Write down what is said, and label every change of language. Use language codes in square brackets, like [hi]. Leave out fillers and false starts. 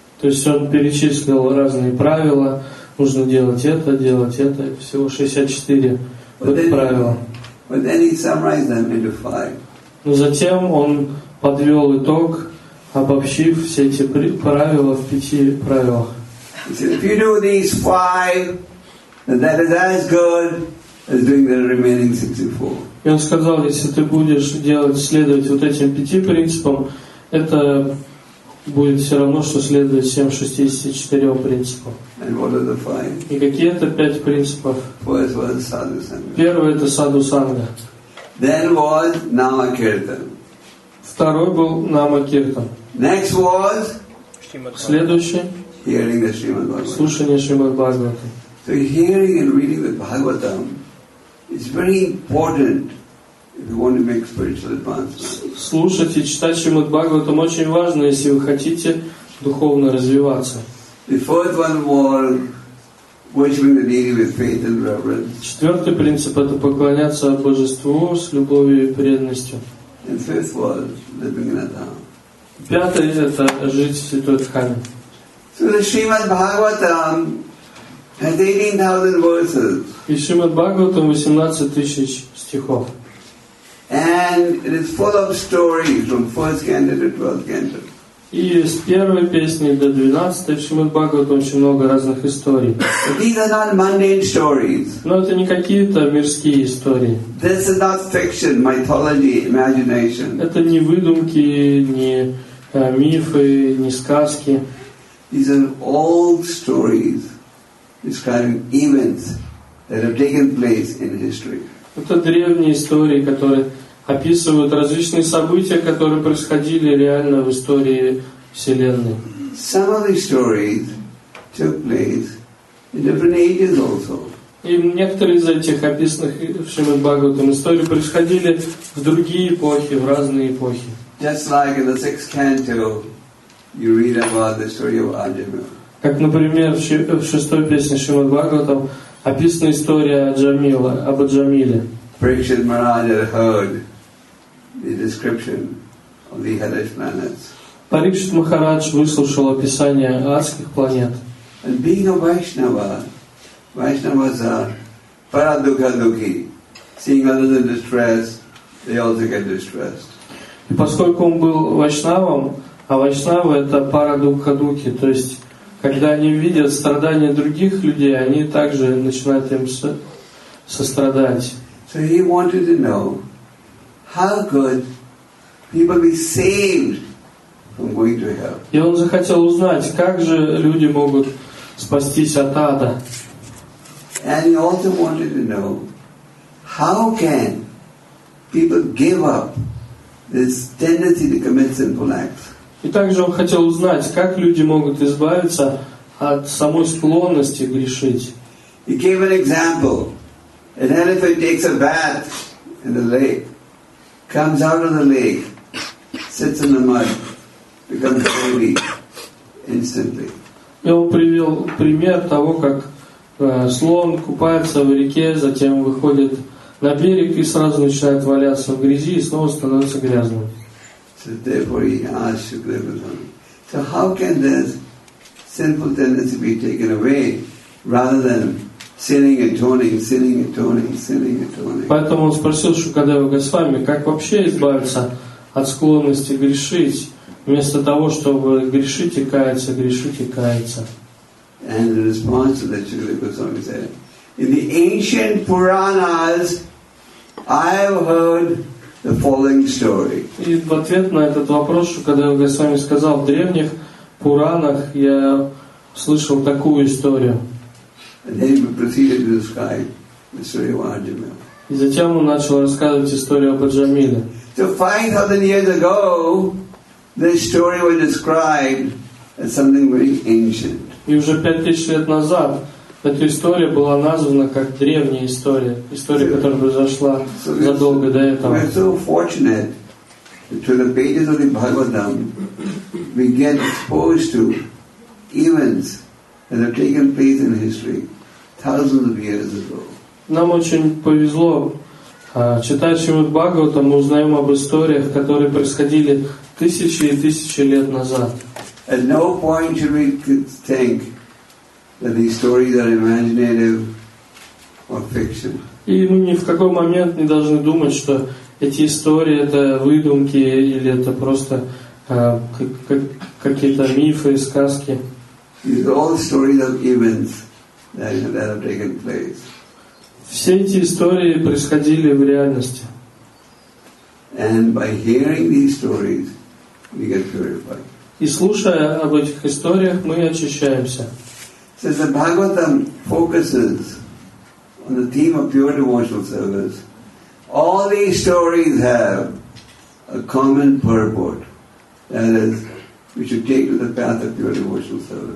[ru] То есть он перечислил разные правила. Нужно делать это. Всего 64. [en] But then he summarized them into five. [ru] Но затем он подвел итог, обобщив все эти правила в пяти правилах. [en] He said, if you do these five, then that is as good as doing the remaining 64. [ru] И он сказал, если ты будешь следовать вот этим пяти принципам, это будет все равно, что следовать всем 64 принципам. [en] And what are the five? [ru] И какие это пять принципов? [en] First was sadhu sangha. [ru] Первый это саду санга. [en] Then was nama kirtan. [ru] Второй был нама киртан. [en] Next was [ru] следующий. [en] Hearing the Srimad Bhagavatam. [ru] Слушание Шримад Бхагаватам. [en] So hearing and reading the Bhagavatam is very important. If you want to make spiritual advancement. [ru] Слушать и читать Шримад Бхагаватам очень важно, если вы хотите духовно развиваться. [en] The fourth one was worshiping the deity with faith and reverence. [ru] Четвертый принцип это поклоняться Божеству с любовью и преданностью. [en] And fifth was living in a dham. [ru] Пятый это жить в святой дхаме. [en] So the Srimad Bhagavatam has 18,000 verses. [ru] И Шримад Бхагаватам 18,000 стихов. [en] And it is full of stories from first canto to 12th canto. [ru] И с первой песни до 12-й в Шримад Бхагаватам очень много разных историй. [en] But these are not mundane stories. [ru] Но это не какие-то мирские истории. [en] This is not fiction, mythology, imagination. [ru] Это не выдумки, не мифы, не сказки. [en] These are old stories describing events that have taken place in history. [ru] Это древние истории, которые описывают различные события, которые происходили реально в истории Вселенной. [en] Some of these stories took place in different ages also. [ru] И некоторые из этих описанных в Шримад Бхагаватам истории происходили в другие эпохи, в разные эпохи. [en] Just like in the sixth canto, you read about the story of Arjuna. [ru] Как, например, в шестой песне Шримад Бхагаватам описана история Аджамила, об Аджамиле. [en] Parikshit Maharaj had heard the description of the hellish planets. [ru] Parikshit Maharaj выслушал описание адских планет. [en] And being a Vaishnava, Vaishnavas are paradukha-dukhi. Seeing others in distress, they also get distressed. [ru] И поскольку он был вайшнавом, а вайшнава это парадукха-дукхи, то есть когда они видят страдания других людей, они также начинают им сострадать. [en] So he wanted to know how could people be saved from going to hell. [ru] И он захотел узнать, как же люди могут спастись от ада. [en] And he also wanted to know how can people give up this tendency to commit sinful acts. [ru] И также он хотел узнать, как люди могут избавиться от самой склонности грешить. [en] He gave an example. An elephant takes a bath in the lake, comes out of the lake, sits in the mud becomes holy instantly. [ru] Я привел пример того, как слон купается в реке, затем выходит на берег и сразу начинает валяться в грязи и снова становится грязным. [en] So how can this sinful tendency be taken away rather than sinning and atoning, sinning and atoning, sinning and atoning? [ru] Поэтому он спросил Шукадева Госвами, как вообще избавиться от склонности грешить, вместо того, чтобы грешить и каяться, грешить и каяться. [en] And the response to that Shukadeva Goswami said, in the ancient Puranas, I have heard the following story. [ru] И в ответ на этот вопрос, Шукадева Госвами сказал, в древних Пуранах я слышал такую историю. [en] And then he proceeded to describe the story of Arjuna. [ru] И затем он начал рассказывать историю об Арджамине. [en] So 5,000 years ago, this story was described as something very ancient. [ru] И уже 5000 лет назад эта история была названа как древняя история, история, которая произошла задолго до этого. [en] We are so fortunate that through the pages of the Bhagavatam we get exposed to events that have taken place in history thousands of years ago. [ru] Нам очень повезло. Читая Шримад-Бхагаватам, мы узнаем об историях, которые происходили тысячи и тысячи лет назад. [en] At no point should we think that these stories are imaginative or fiction. [ru] И мы ни в какой момент не должны думать, что эти истории это выдумки или это просто какие-то мифы и сказки. [en] These are all stories of events that have taken place. [ru] Все эти истории происходили в реальности. [en] And by hearing these stories, we get purified. [ru] И слушая об этих историях, мы очищаемся. [en] So the Bhagavatam focuses on the theme of pure devotional service. All these stories have a common purport. That is, we should take to the path of pure devotional service.